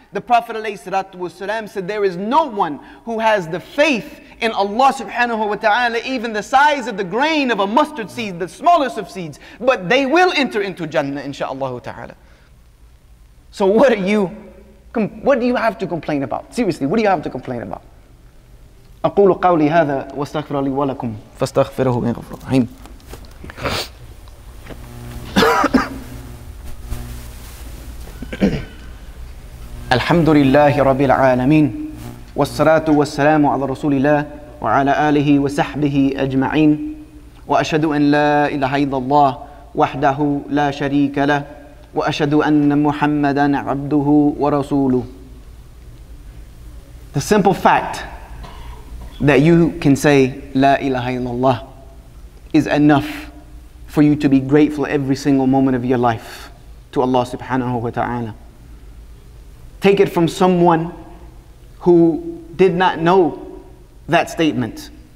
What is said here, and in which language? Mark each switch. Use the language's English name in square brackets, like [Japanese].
[English] The Prophet ﷺ said, there is no one who has the faith in Allah subhanahu wa ta'ala, even the size of the grain of a mustard seed, the smallest of seeds, but they will enter into Jannah, insha'Allah ta'ala. So what do you have to complain about? Seriously, what do you have to complain about? [Arabic] أقول قولي هذا واستغفر لي ولكم فاستغفره إنه غفور رحيم. الحمد لله رب العالمين والصلاة والسلام على رسول الله وعلى آله وصحبه أجمعين وأشهد أن لا إله إلا الله وحده لا شريك له وأشهد أن محمدا عبده ورسوله. [English] The simple fact that you can say La ilaha illallah is enough for you to be grateful every single moment of your life to Allah subhanahu wa ta'ala. Take it from someone who did not know that statement.